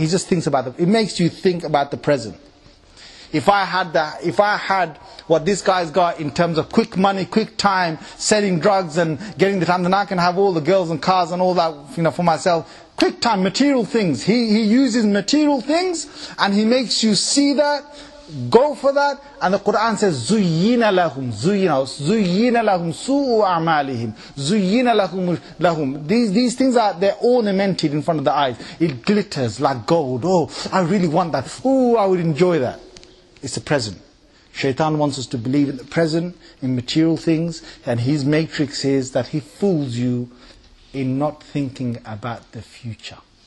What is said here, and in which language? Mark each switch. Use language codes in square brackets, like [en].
[en] He just thinks about it. It makes you think about the present. If I had that, if I had what this guy's got in terms of quick money, quick time, selling drugs and getting the time, then I can have all the girls and cars and all that, you know, for myself. Quick time, material things. He uses material things and he makes you see that, go for that. And the Quran says, [ar] زُيِّنَ لَهُمْ زُيِّنَ لَهُمْ سُوءُ أَعْمَالِهِمْ زُيِّنَ لَهُمْ. [en] These things are, they're ornamented in front of the eyes. It glitters like gold. Oh, I really want that. Oh, I would enjoy that. It's a present. Shaitan wants us to believe in the present, in material things, and his matrix is that he fools you in not thinking about the future.